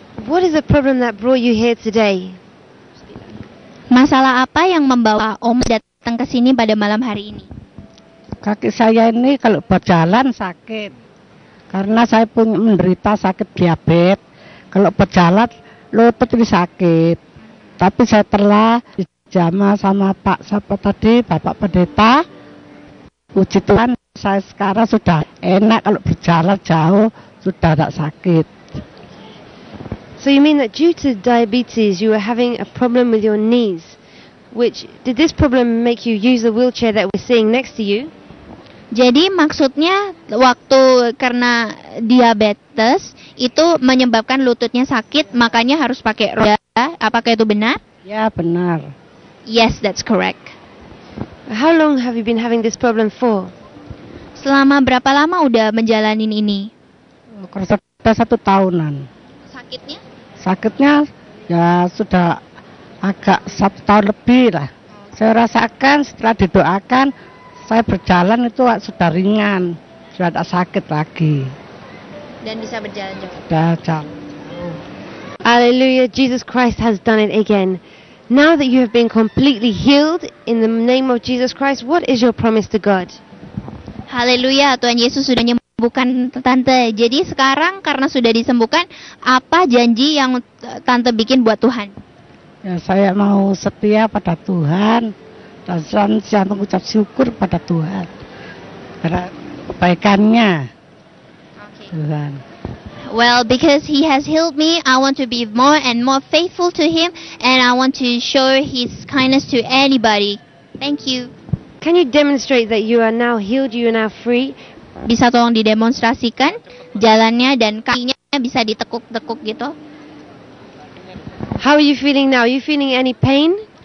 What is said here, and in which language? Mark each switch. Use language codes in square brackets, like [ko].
[en] What is the problem that brought you here today? [id] Masalah apa yang membawa Om datang ke sini pada malam hari ini? Kaki saya ini kalau berjalan sakit. Karena saya punya menderita sakit diabetes. Kalau berjalan lutut ini sakit. Tapi saya telah dijamah sama Pak siapa tadi, Bapak Pendeta. Puji Tuhan, saya sekarang sudah enak kalau berjalan jauh, sudah tak sakit. [en] So you mean that due to diabetes, you were having a problem with your knees, which, did this problem make you use the wheelchair that we're seeing next to you? [id] Jadi maksudnya, waktu karena diabetes, itu menyebabkan lututnya sakit, makanya harus pakai roda, apakah itu benar? Ya, benar. [en] Yes, that's correct. How long have you been having this problem for? [id] Selama berapa lama udah menjalani ini? Sudah satu tahunan. Sakitnya? Sakitnya ya sudah agak satu tahun lebih lah. Saya rasakan setelah didoakan, saya berjalan itu sudah ringan. Sudah tak sakit lagi. Dan bisa berjalan juga? Sudah jalan. [en] Alleluia, Jesus Christ has done it again. Now that you have been completely healed in the name of Jesus Christ, what is your promise to God? [id] Hallelujah, Tuhan Yesus sudah menyembuhkan Tante. Jadi sekarang karena sudah disembuhkan, apa janji yang Tante bikin buat Tuhan? Ya, saya mau setia pada Tuhan dan saya mengucap syukur pada Tuhan karena kebaikannya. [en] Okay. Tuhan. Well, because he has healed me, I want to be more and more faithful to him, and I want to show his kindness to anybody. Thank you. Can you demonstrate that you are now healed, you are now free? [id] Bisa tolong didemonstrasikan jalannya dan kakinya bisa ditekuk-tekuk gitu. [en] How are you feeling now? Are you feeling any pain?